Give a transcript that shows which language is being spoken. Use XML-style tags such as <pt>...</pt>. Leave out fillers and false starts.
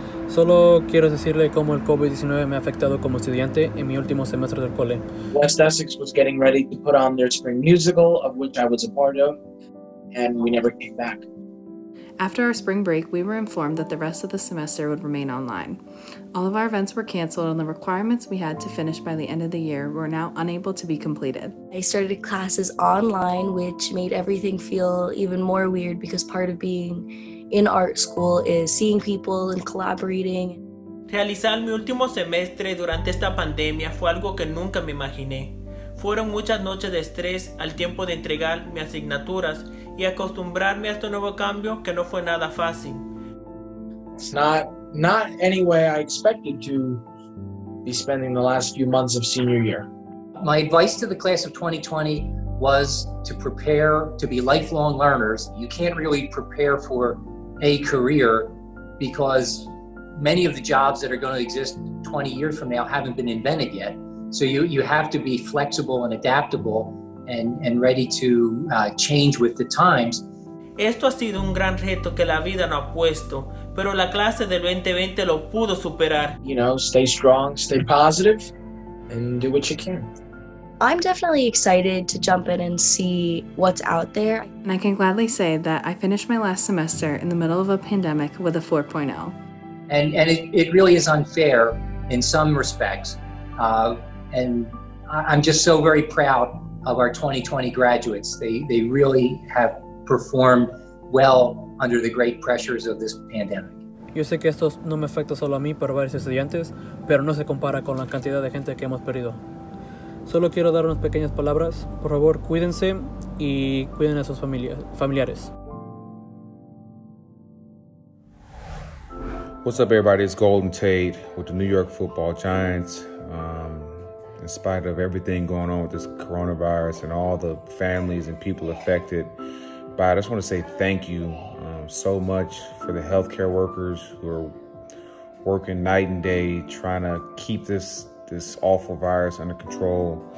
<es>Solo quiero decirle cómo el COVID-19 me ha afectado como estudiante en mi último semestre del cole.</es> <en>West Essex was getting ready to put on their spring musical, of which I was a part of, and we never came back. After our spring break, we were informed that the rest of the semester would remain online. All of our events were canceled, and the requirements we had to finish by the end of the year were now unable to be completed. I started classes online, which made everything feel even more weird because part of being in art school is seeing people and collaborating.</en> <es>Realizar mi último semestre durante esta pandemia fue algo que nunca me imaginé. Fueron muchas noches de estrés al tiempo de entregar mis asignaturas y acostumbrarme a este nuevo cambio que no fue nada fácil.</es> <en>It's not any way I expected to be spending the last few months of senior year. My advice to the class of 2020 was to prepare to be lifelong learners. You can't really prepare for a career because many of the jobs that are going to exist 20 years from now haven't been invented yet. So you have to be flexible and adaptable and ready to change with the times.</en> <es>Esto ha sido un gran reto que la vida no ha puesto, pero la clase del 2020 lo pudo superar.</es> <en>You know, stay strong, stay positive, and do what you can. I'm definitely excited to jump in and see what's out there. And I can gladly say that I finished my last semester in the middle of a pandemic with a 4.0. And it really is unfair in some respects. And I'm just so very proud of our 2020 graduates. They really have performed well under the great pressures of this pandemic.</en> <es>Yo sé que esto no me afecta solo a mí, pero a varios estudiantes, pero no se compara con la cantidad de gente que hemos perdido. Solo quiero dar unas pequeñas palabras. Por favor, cuídense y cuiden a sus familiares.</es> <en>What's up, everybody? It's Golden Tate with the New York Football Giants. In spite of everything going on with this coronavirus and all the families and people affected, but I just want to say thank you so much for the healthcare workers who are working night and day trying to keep this awful virus under control.</en>